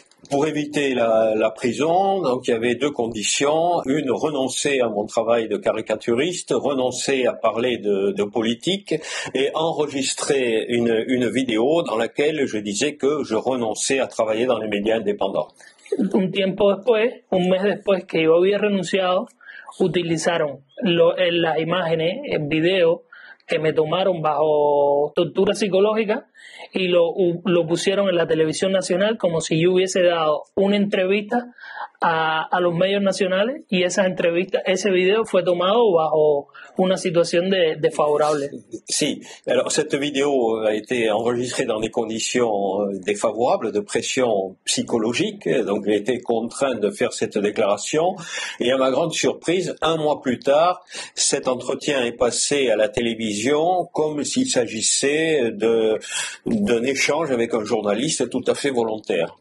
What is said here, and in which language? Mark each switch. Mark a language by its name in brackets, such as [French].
[French] Pour éviter la prison, donc il y avait deux conditions. Une, renoncer à mon travail de caricaturiste, renoncer à parler de politique et enregistrer une vidéo dans laquelle je disais que je renonçais à travailler dans les médias indépendants. [Spanish] Un tiempo después, un mes después que yo había renunciado, utilizaron las imágenes, el video que me tomaron bajo tortura psicológica y lo pusieron en la televisión nacional como si yo hubiese dado una entrevista a los medios nacionales y esa entrevista, ese video fue tomado bajo una situación desfavorable. [French] Si, alors cette vidéo a été enregistrée dans des conditions défavorables, de pression psychologique, donc j'ai été contraint de faire cette déclaration. Et à ma grande surprise, un mois plus tard, cet entretien est passé à la télévision comme s'il s'agissait d'un échange avec un journaliste tout à fait volontaire.